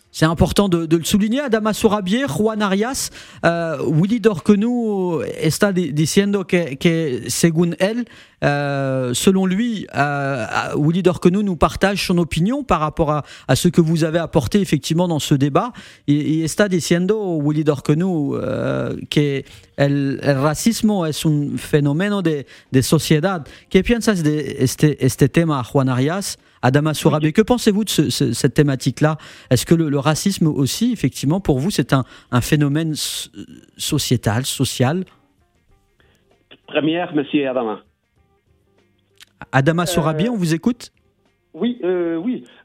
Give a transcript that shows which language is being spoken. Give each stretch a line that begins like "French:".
French: C'est important de le souligner. Adama Sourabié, Juan Arias, Willy Dorkenou,
Spanish: está diciendo que según él,
French: selon lui, Willy Dorkenou nous partage son opinion par rapport à ce que vous avez apporté effectivement dans ce débat.
Spanish: Y está diciendo, Willy Dorkenou, que el racismo es un fenómeno de sociedad. ¿Qué piensas de este tema, Juan Arias?
French: Adama Sourabié, que pensez-vous de cette thématique-là? Est-ce que le racisme aussi, effectivement, pour vous, c'est un phénomène sociétal, social? Première, monsieur Adama. Adama Sourabié, on vous écoute? Oui, oui.